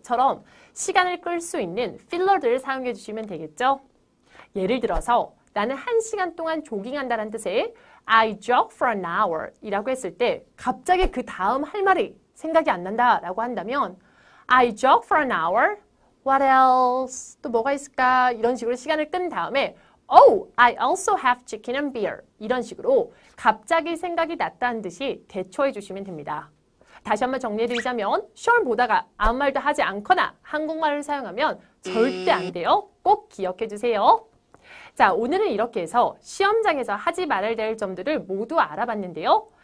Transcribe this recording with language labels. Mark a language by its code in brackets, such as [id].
[ko] 처럼 시간을 끌수 있는 필러들을 사용해 주시면 되겠죠? 예를 들어서 나는 1시간 동안 조깅한다는 뜻의 [en] I jog for an hour [ko] 이라고 했을 때 갑자기 그 다음 할 말이 생각이 안 난다 라고 한다면 I jog for an hour? [en] What else? [ko] 또 뭐가 있을까? 이런 식으로 시간을 끈 다음에 [en] Oh, I also have chicken and beer. [ko] 이런 식으로 갑자기 생각이 났다는 듯이 대처해 주시면 됩니다. 다시 한번 정리해드리자면 sure 보다가 아무 말도 하지 않거나 한국말을 사용하면 절대 안 돼요. 꼭 기억해 주세요. 자, 오늘은 이렇게 해서 시험장에서 하지 말아야 될 점들을 모두 알아봤는데요.